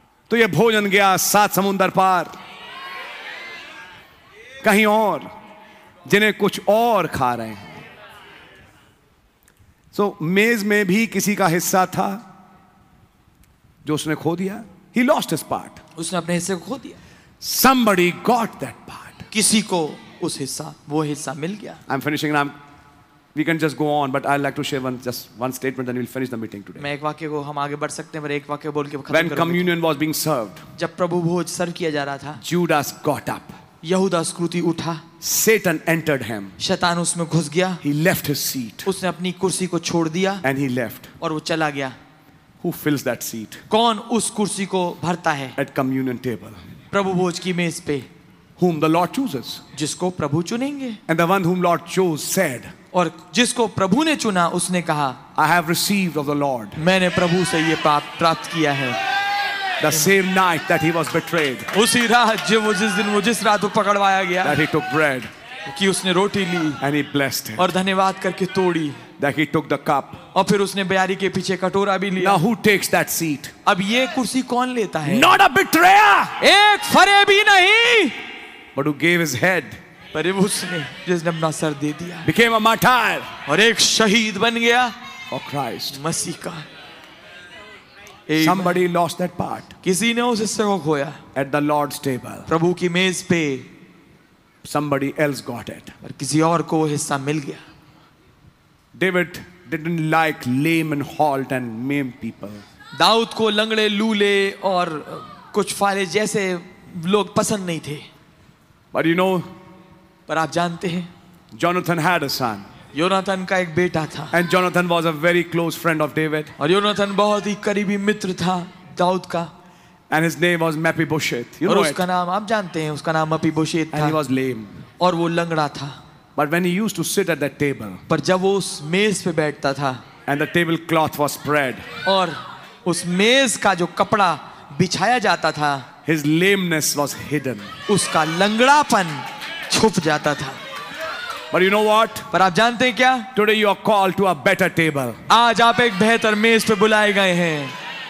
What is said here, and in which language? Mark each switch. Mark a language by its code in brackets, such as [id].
[hi] तो ये भोजन गया 7 समुंदर पार कहीं और, जिन्हें कुछ और खा रहे हैं. तो मेज में भी किसी का हिस्सा था जो उसने खो दिया. [en] He lost his part. [hi] उसने अपने हिस्से को खो दिया. [en] Somebody got that part. [hi] किसी को उस हिस्सा, वो हिस्सा मिल गया. [en] I'm finishing and we can just go on, but I'd like to share one statement, then we'll finish the meeting today. [hi] मैं एक वाक्य को हम आगे बढ़ सकते हैं, पर एक वाक्य बोल के खत्म करूंगा. [en] When communion was being served, [hi] जब प्रभु भोज सर्व किया जा रहा था, [en] Judas got up. [hi] यहूदा स्क्रूति उठा. [en] Satan entered him. [hi] शैतान उसमें घुस गया. [en] He left his seat. [hi] उसने अपनी कुर्सी को छोड़ दिया. [en] And he left. [hi] और वो चला गया. [en] Who fills that seat? [hi] कौन उस कुर्सी को भरता है? [en] At communion table. [hi] प्रभु भोज की मेज पे. [en] Whom the Lord chooses. [hi] जिसको प्रभु चुनेंगे. [en] And the one whom Lord chose said. [hi] और जिसको प्रभु ने चुना उसने कहा. [en] I have received of the Lord. [hi] मैंने प्रभु से ये प्राप्त किया है. [en] The same night that he was betrayed. [hi] उसी रात जब वो जिस दिन वो जिस रात वो पकड़वाया गया. [en] That he took bread. [hi] कि उसने रोटी ली. [en] And he blessed it. [hi] और धन्यवाद करके तोड़ी. [en] That he took the cup. [hi] और फिर उसने बयारी के पीछे कटोरा भी लिया. [en] Now who takes that seat? [hi] अब ये कुर्सी कौन लेता है? [en] Not a betrayer. [hi] एक फरेबी नहीं. [en] But who gave his head? [hi] पर उसने जिसने अपना सर दे दिया. [en] Became a martyr. [hi] और एक शहीद बन गया. [en] For Christ. [hi] मसीह का. [en] Somebody lost that part. [hi] किसी ने उस हिस्से को खोया. [en] At the Lord's table. [hi] प्रभु की मेज पे. [en] Somebody else got it. [hi] पर किसी और को हिस्सा मिल गया. [en] David didn't like lame and halt and maimed people. [hi] Dawood को लंगड़े लूले और कुछ फाले जैसे लोग पसंद नहीं थे. [en] But you know. [hi] पर आप जानते हैं. [en] Jonathan had a son. [hi] Yonatan का एक बेटा था. [en] And Jonathan was a very close friend of David. [hi] और योनाथन बहुत ही करीबी मित्र था दाऊद का. [en] And his name was Mephibosheth. You [hi] और [en] know [hi] उसका [en] it. [hi] नाम आप जानते हैं, उसका नाम Mephibosheth था. [en] And he was lame. [hi] और वो लंगड़ा था. [en] But when he used to sit at that table. [hi] पर जब वो उस मेज पे बैठता था. [en] And the table cloth was spread. [hi] और उस मेज का जो कपड़ा बिछाया जाता था. [en] His lameness was hidden. [hi] उसका लंगड़ापन छुप जाता था. [en] But you know what? [hi] पर आप जानते हैं क्या? [en] Today you are called to a better table. [hi] आज आप एक बेहतर मेज पे बुलाए गए हैं.